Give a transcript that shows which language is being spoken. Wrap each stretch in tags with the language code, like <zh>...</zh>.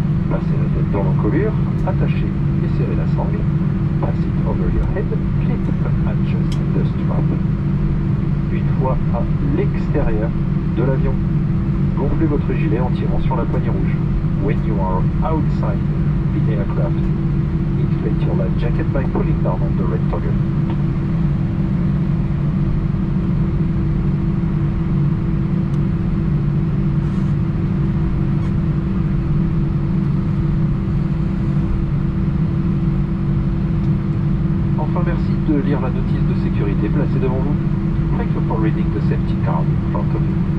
<fr>Passez la tête dans l'encolure, attachez et serrez la sangle.</fr> <en>Pass it over your head, clip and adjust the strap.</en> <fr>Une fois à l'extérieur de l'avion, gonflez votre gilet en tirant sur la poignée rouge.</fr> <en>When you are outside the aircraft, inflate your life jacket by pulling down on the red toggle.</en> <fr>Lire la notice de sécurité placée devant vous.</fr> <en>Thank you for reading the safety card in front of you.</en>